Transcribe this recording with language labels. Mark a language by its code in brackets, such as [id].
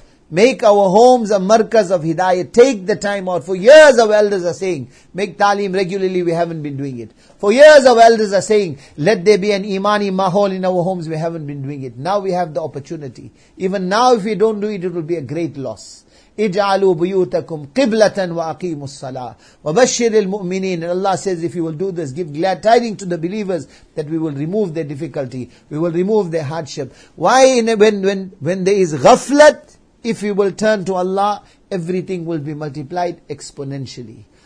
[en] Make our homes a markaz of hidayat. Take the time out. For years our elders are saying, make ta'aleem regularly, we haven't been doing it. For years our elders are saying, let there be an imani mahol in our homes, we haven't been doing it. Now we have the opportunity. Even now if we don't do it, it will be a great loss. [ar] اجعلوا بيوتكم قبلة وأقيموا الصلاة وبشر المؤمنين. [en] And Allah says, if you will do this, give glad tidings to the believers that we will remove their difficulty, we will remove their hardship. Why? When there is ghaflat, if you will turn to Allah, everything will be multiplied exponentially.